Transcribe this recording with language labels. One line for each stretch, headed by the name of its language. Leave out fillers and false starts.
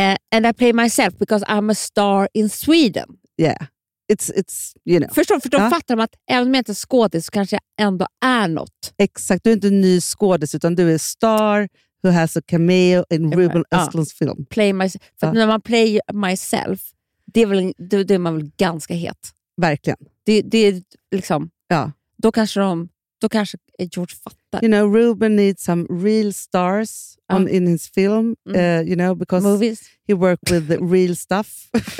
English: And I play myself because I'm a star in Sweden. Yeah. It's you know.
Swedish: Förstår, för då fattar de att även om jag inte är skådis så kanske jag ändå är något. Exakt, du är inte en ny skådis utan du är
English: star who has a cameo in Ruben Östlunds film. Play myself.
Swedish: För när man
English: play myself,
Swedish: det är väl, då är man väl ganska het. Verkligen. Det är liksom, då kanske de, då kanske George fattar.
English: You know, Ruben needs some real stars on in his film, you know, because movies. He worked with the real stuff.